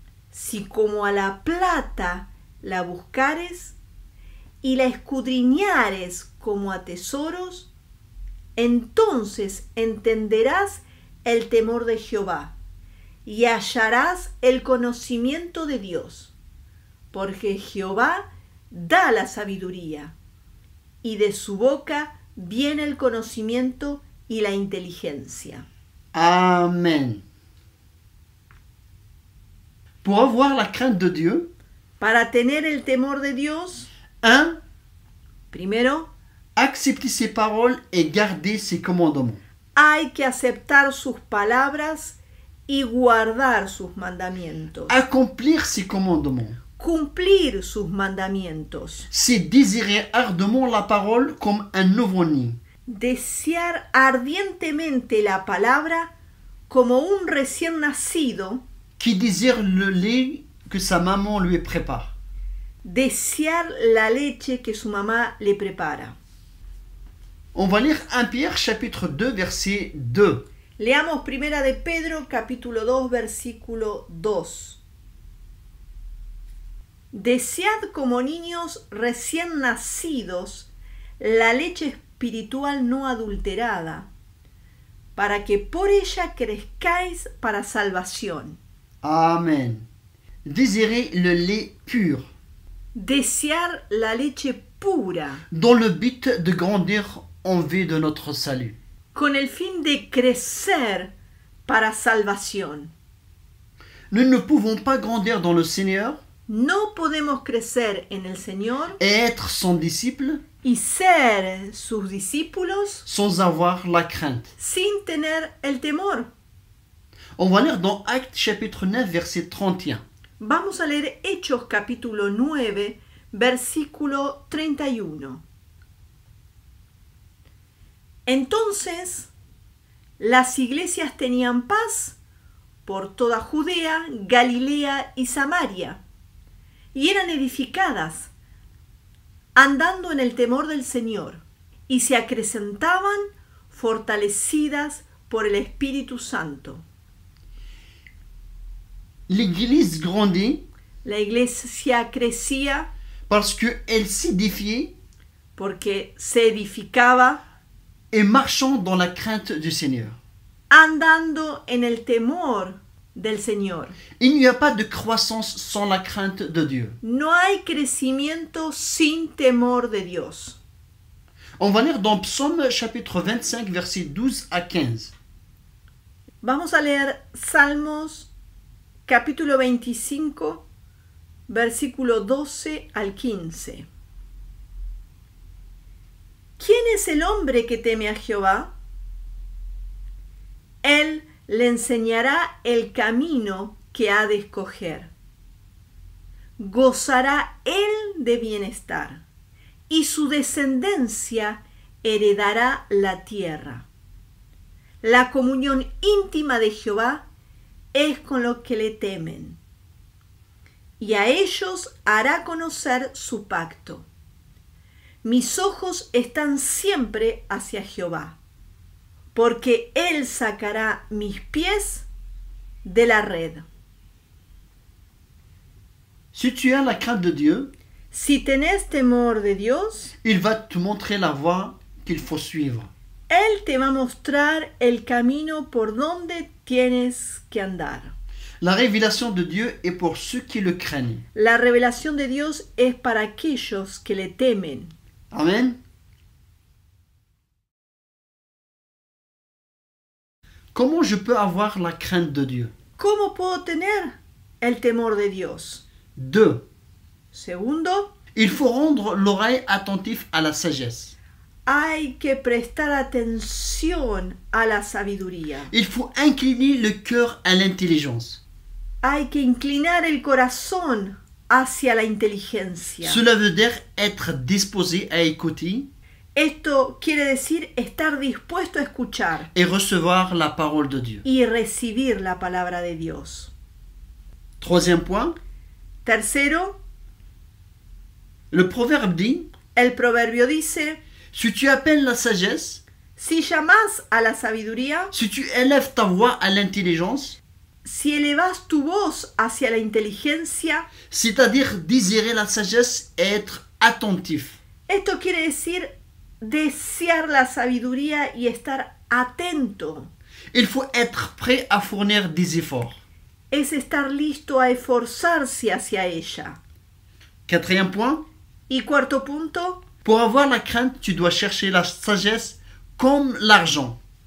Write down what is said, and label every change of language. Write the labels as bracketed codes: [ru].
[es] si como a la plata la buscares y la escudriñares como a tesoros, entonces entenderás el temor de Jehová y hallarás el conocimiento de Dios, porque Jehová da la sabiduría, y de su boca viene el conocimiento y la inteligencia. Amén. [fr] Pour avoir la crainte de Dieu, [es] para tener el temor de Dios, [fr] un, [es] primero, acceptar sus palabras y guardar sus mandamientos. Hay que aceptar sus palabras y guardar sus mandamientos. [fr] Accomplir ses commandements. [es] Cumplir sus mandamientos. [fr] C'est désirer ardemment la parole comme un nouveau nid. [es] Desear ardientemente la palabra como un recién nacido. [fr] Qui désire le lait que sa maman lui prépare. [es] Desear la leche que su mamá le prepara. [fr] On va lire 1 Pierre chapitre 2 verset 2. [es] Leamos Primera de Pedro capítulo 2 versículo 2. Desead como niños recién nacidos la leche espiritual no adulterada, para que por ella crezcáis para salvación. [fr] Amén. Désirez le lait pur. [es] Desear la leche pura. [fr] Dans le but de grandir en vue de notre salut. [es] Con el fin de crecer para salvación. [fr] Nous ne pouvons pas grandir dans le Seigneur. [es] No podemos crecer en el Señor. [fr] Et être son disciple. [es] Y ser sus discípulos. [fr] Sans avoir la crainte. [es] Sin tener el temor. [fr] On va lire dans Actes chapitre 9 verset 31. [es] Vamos a leer Hechos capítulo 9 versículo 31. Entonces, las iglesias tenían paz por toda Judea, Galilea y Samaria, y eran edificadas, andando en el temor del Señor, y se acrecentaban, fortalecidas por el Espíritu Santo. [fr] L'église grandit. [es] La iglesia crecía. [fr] Parce que elle s'édifiait. [es] Porque se edificaba. [fr] Et marchant dans la crainte du Seigneur. [es] Andando en el temor del Señor. [fr] Il n'y a pas de croissance sans la crainte de Dieu. [es] No hay crecimiento sin temor de Dios. [fr] On va lire dans Psaume chapitre 25 versets 12 à 15. [es] Vamos a leer Salmos capítulo 25, versículo 12 al 15. ¿Quién es el hombre que teme a Jehová? Él le enseñará el camino que ha de escoger. Gozará él de bienestar, y su descendencia heredará la tierra. La comunión íntima de Jehová es con los que le temen, y a ellos hará conocer su pacto. Mis ojos están siempre hacia Jehová, porque Él sacará mis pies de la red. [fr] Si tu as la crainte de Dieu, [es] si tenés temor de Dios, [fr] Il va te montrer la voie qu'il faut suivre. [es] Él te va a mostrar el camino por donde tienes que andar. La revelación de Dios es por [fr] ceux qui le craignent. [es] La revelación de Dios es para aquellos que le temen. Amén. ¿Cómo [fr] je peux avoir la crainte de Dieu? [es] ¿Cómo puedo tener el temor de Dios? [fr] Deux. [es] Segundo. [fr] Il faut rendre l'oreille attentive à la sagesse. [es] Hay que prestar atención a la sabiduría. [fr] Il faut incliner le cœur à l'intelligence. [es] Hay que inclinar el corazón hacia la inteligencia. [fr] Cela veut dire être disposé à écouter. [es] Esto quiere decir estar dispuesto a escuchar. [fr] Et recevoir la parole de Dieu. [es] Y recibir la palabra de Dios. [fr] Troisième point. [es] Tercero. [fr] Le proverbe dit. [es] El proverbio dice. [fr] Si tu appelles la sagesse, [es] si llamas a la sabiduría, [fr] si tu élèves ta voix à l'intelligence, [es] si elevas tu voz hacia la inteligencia, [fr] c'est-à-dire désirer la sagesse et être attentif. [es] Esto quiere decir desear la sabiduría y estar atento. [fr] Il faut être prêt à fournir des efforts. [es] Es estar listo a esforzarse hacia ella. [fr] Quatrième point. [es] Y cuarto punto. [fr] Pour avoir la crainte, tu dois chercher la sagesse comme l'argent.